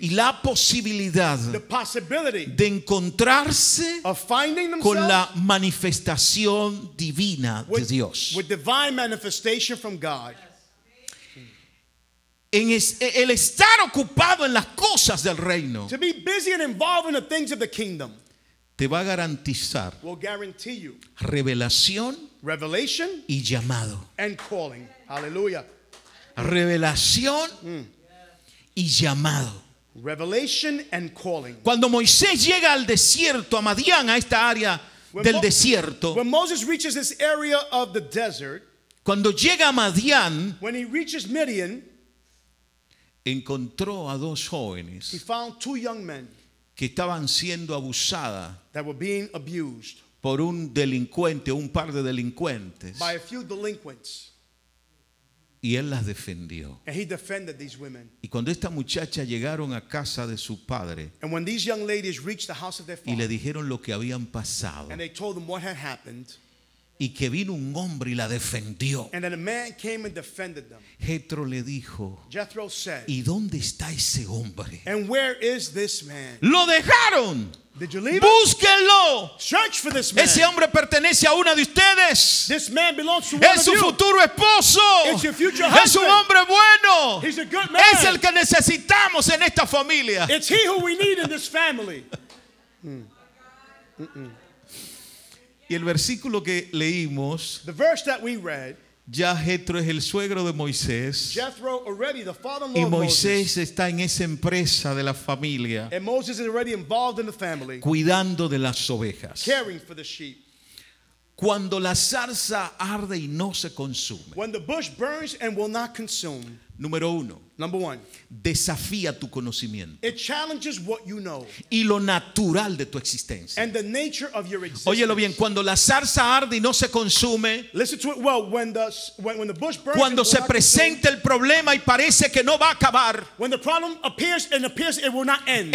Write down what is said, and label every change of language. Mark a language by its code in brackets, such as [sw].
[es] y la posibilidad, [en] the possibility, [es] de encontrarse, [en] of finding themselves, [es] con la manifestación divina de Dios, [en] with divine manifestation from God. [es] En el estar ocupado en las cosas del reino, [en] to be busy and involved in the things of the kingdom, [es] te va a garantizar, [en] will guarantee you, [es] revelación, [en] revelation, [es] y llamado, [en] and calling. Hallelujah. [es] Revelación, y llamado. [en] Revelation and calling. [es] Cuando Moisés llega al desierto, a Madián, a esta área del desierto, [en] when Moses reaches this area of the desert, [es] cuando llega a Madián, [en] when he reaches Midian, [es] encontró a dos jóvenes, [en] he found two young men, [es] que estaban siendo abusadas, [en] that were being abused, [es] por un delincuente o un par de delincuentes, [en] by a few delinquents, [es] y él las defendió, [en] and he defended these women. [es] Y cuando esta muchacha llegaron a casa de su padre, [en] and when these young ladies reached the house of their father, [es] y le dijeron lo que habían pasado, [en] and they told them what had happened, [es] y que vino un hombre y la defendió, [en] and then a man came and defended them. [es] Jethro le dijo, [en] Jethro said, [es] ¿y dónde está ese hombre? [en] And where is this man? [es] Lo dejaron. [en] Did you leave? [es] Búsquenlo. [en] Search for this man. [es] Ese hombre pertenece a una de ustedes. [en] This man belongs to one of you. [es] Es su futuro esposo. [en] It's your future husband. [es] Es un hombre bueno. [en] He's a good man. [es] Es el que necesitamos en esta familia. [en] It's he who we need in this family. [es] Y el versículo que leímos, [en] the verse that we read, [es] ya Jethro es el suegro de Moisés, [en] Jethro already the father-in-law, [es] y Moisés está en esa empresa de la familia, [en] and Moses is already involved in the family, [es] cuidando de las ovejas, [en] caring for the sheep. [es] Cuando la zarza arde y no se consume, [en] when the bush burns and will not consume, [es] número uno, [en] number one, [es] desafía tu conocimiento, [en] it challenges what you know, [es] y lo natural de tu existencia, [en] and the nature of your existence. [es] Óyelo bien, cuando la zarza arde y no se consume, [en] listen to it well, when the bush burns, [es] cuando se presenta el problema y parece que no va a acabar, [en] when the problem appears and appears it will not end,